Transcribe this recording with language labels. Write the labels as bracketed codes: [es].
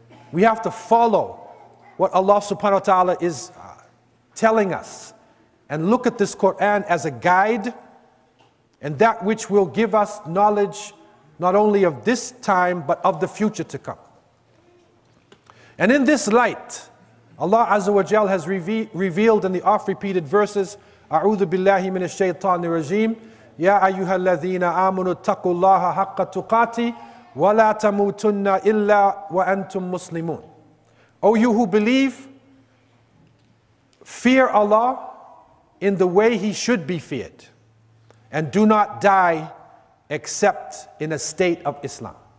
[en] We have to follow what Allah subhanahu wa ta'ala is telling us and look at this Quran as a guide, and that which will give us knowledge not only of this time but of the future to come. And in this light, Allah Azza wa Jal has revealed in the oft-repeated verses, [ar] أعوذ بالله من الشيطان الرجيم يا أيها الذين آمنوا اتقوا الله حق تقاته ولا تموتن إلا وأنتم مسلمون. [en] O you who believe, fear Allah in the way He should be feared, and do not die except in a state of Islam.